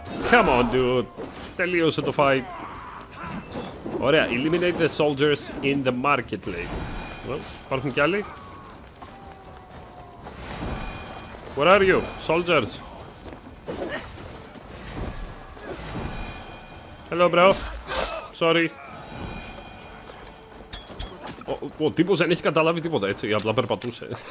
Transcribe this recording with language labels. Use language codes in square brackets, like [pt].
[en] Come on, dude. [el] Τελείωσε το fight. [en] Ωραία, eliminate the soldiers in the marketplace. [el] Well, υπάρχουν κι άλλοι. [en] Where are you, soldiers? Hello, bro. Sorry. [el] Ο τύπος δεν έχει καταλάβει τίποτα, έτσι, απλά περπατούσε.